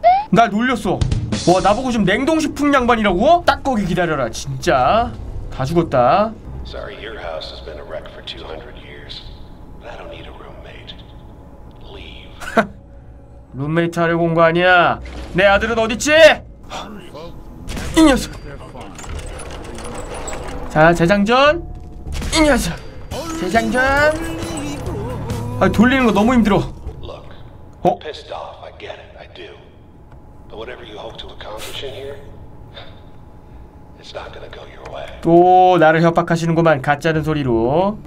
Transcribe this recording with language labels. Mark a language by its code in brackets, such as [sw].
[ko] 나 놀렸어. 와, 나보고 지금 냉동식품 양반이라고? 딱 거기 기다려라, 진짜. 다 죽었다. [en] Sorry, your house has been a wreck for 200 years. I don't need a roommate. Leave. [ko] 룸메이트 하려고 온 거 아니야? 내 아들은 어딨지? 이 녀석. 자, 재장전. 이 녀석. 재장전. 아, 돌리는 거 너무 힘들어. [en] 어? Pissed off. I get it. I do. But whatever you hope to accomplish in here, it's not gonna go your way. [ko] 또 나를 협박하시는구만, 가짜는 소리로.